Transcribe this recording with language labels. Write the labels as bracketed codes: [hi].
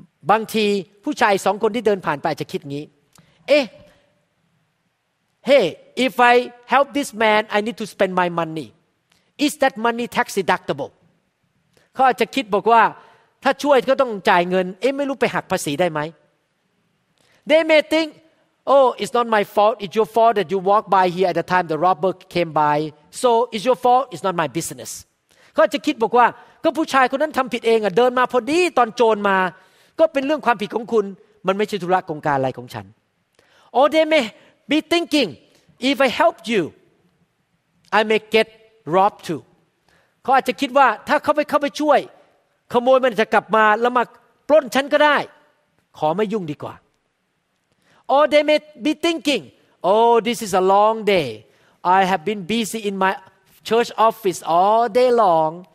[th] บางทีผู้ชายสองคนที่เดินผ่านไปอาจจะคิดงี้เอ๊ะ [en] Hey, if I help this man, I need to spend my money. Is that money tax deductible? [th] เขาอาจจะคิดบอกว่าถ้าช่วยก็ต้องจ่ายเงินเอ๊ะไม่รู้ไปหักภาษีได้ไหม [en] They may think, Oh, it's not my fault. It's your fault that you walked by here at the time the robber came by. So it's your fault. It's not my business. [th] เขาจะคิดบอกว่าก็ผู้ชายคนนั้นทำผิดเองอ่ะเดินมาพอดีตอนโจรมาก็เป็นเรื่องความผิดของคุณมันไม่ใช่ธุระโครงการอะไรของฉัน [en] Or they may be thinking if I help you I may get robbed too [th] เขาอาจจะคิดว่าถ้าเข้าไปช่วยขโมยมันจะกลับมาแล้วมาปล้นฉันก็ได้ขอไม่ยุ่งดีกว่า [en] Or they may be thinking oh this is a long day I have been busy in myChurch office all day long.